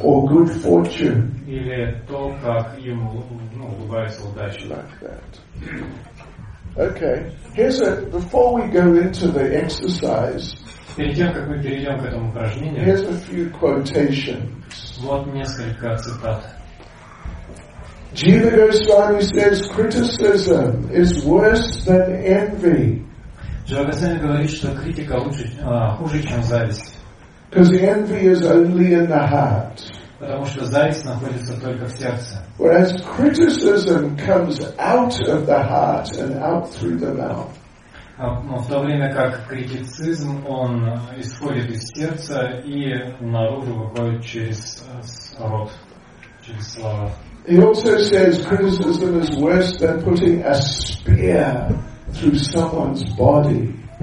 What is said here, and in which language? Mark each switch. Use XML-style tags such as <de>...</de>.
<en>or good fortune,</en> <ru>или то, как ему улыбается удача,</ru> <en>like that. Okay, here's a. Before we go into the exercise,</en> <ru>перед тем как мы перейдем к этому упражнению,</ru> <en>here's a few quotations.</en> <ru>Вот несколько цитат.</ru> <en>Jiva Goswami says criticism is worse than envy.</en> <ru>Джагасани говорит, что критика лучше, хуже, чем зависть.</ru> <en>Because envy is only in the heart.</en> <ru>Потому что зависть находится только в сердце.</ru> <en>Whereas criticism comes out of the heart and out through the mouth.</en> <ru>Но в то время как критицизм, он исходит из сердца и наружу выходит через рот, через слова.</ru> <en>He also says criticism is worse than putting a spear through someone's body.</en>